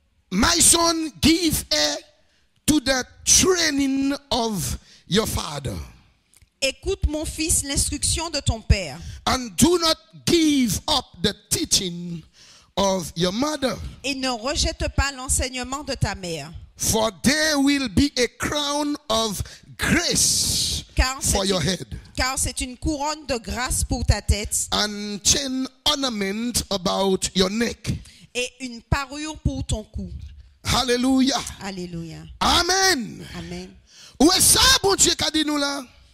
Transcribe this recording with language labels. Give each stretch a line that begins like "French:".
English: My son, give ear to the training of your father.
French: Écoute, mon fils, l'instruction de ton père.
English: And do not give up the teaching of your mother.
French: Et ne rejette pas l'enseignement de ta mère.
English: For there will be a crown of grace.
French: Car c'est une couronne de grâce pour ta tête.
English: And chain ornament about your neck.
French: Et une parure pour ton cou. Hallelujah. Hallelujah. Amen. Amen. Où est ça, bon Dieu, qu'a dit nous là?